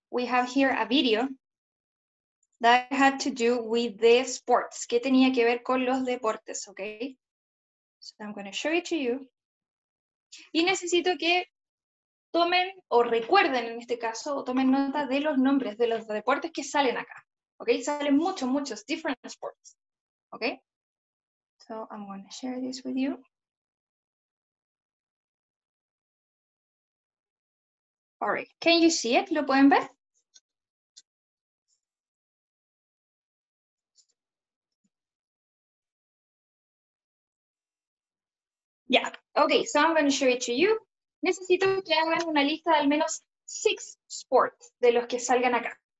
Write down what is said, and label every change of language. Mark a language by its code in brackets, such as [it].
[en] We have here a video that had to do with the sports. [es] ¿Qué tenía que ver con los deportes? [en] Okay? So I'm going to show it to you. [es] Y necesito que tomen o recuerden en este caso o tomen nota de los nombres de los deportes que salen acá. [en] Okay? [es] Salen muchos, muchos [en] different sports. Okay? So I'm going to share this with you. All right. Can you see it? [es] ¿Lo pueden ver? [en] Yeah. Okay, so I'm going to show it to you. [es] Necesito que hagan una lista de al menos 6 sports de los que salgan acá.